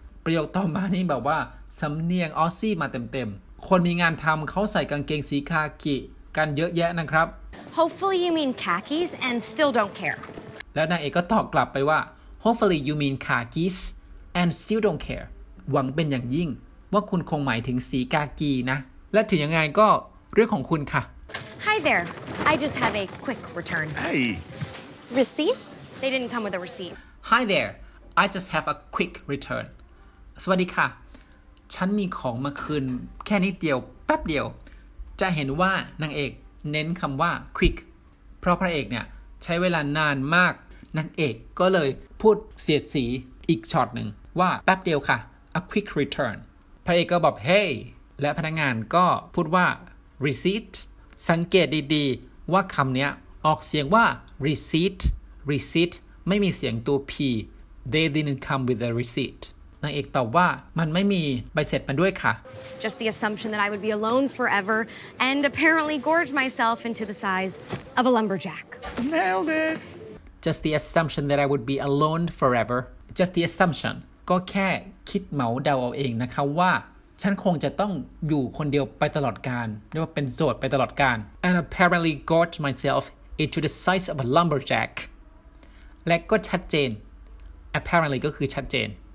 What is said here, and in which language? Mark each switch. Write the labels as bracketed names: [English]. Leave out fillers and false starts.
[Thai] ประโยคต่อมานี่แบบว่าสำเนียงออสซี่มาเต็มๆคนมีงานทำเขาใส่กางเกงสีคากิกันเยอะแยะนะครับ [English] Hopefully you mean khakis and still don't care [Thai] แล้วนางเอกก็ตอบกลับไปว่า [English] Hopefully you mean khakis and still don't care [Thai] หวังเป็นอย่างยิ่งว่าคุณคงหมายถึงสีกากีนะและถึงยังไงก็เรื่องของคุณค่ ะ [English] Hi there I just have a quick return Hey Receipt? They didn't come with a receipt Hi there I just have a quick return [Thai] สวัสดีค่ะฉันมีของมาคืนแค่นิดเดียวแป๊บเดียวจะเห็นว่านางเอกเน้นคำว่า quick เพราะพระเอกเนี่ยใช้เวลานานมากนางเอกก็เลยพูดเสียดสีอีกช็อตหนึ่งว่าแป๊บเดียวค่ะ a quick return พระเอกก็บอก hey และพนักงานก็พูดว่า receipt สังเกตดีๆว่าคำนี้ออกเสียงว่า receipt ไม่มีเสียงตัว p [English] they didn't come with a receipt [Thai] นางเอกตอบว่ามันไม่มีใบเสร็จมาด้วยค่ะ [English] Just the assumption that I would be alone forever and apparently gorge myself into the size of a lumberjack. Nailed it. Just the assumption that I would be alone forever. Just the assumption. [Thai] ก็แค่คิดเหมาเดาเอาเองนะคะว่าฉันคงจะต้องอยู่คนเดียวไปตลอดกาลเรียกว่าเป็นโสดไปตลอดกาล [English] And apparently gorge myself into the size of a lumberjack. [Thai] และก็ชัดเจน Apparently ก็คือชัดเจน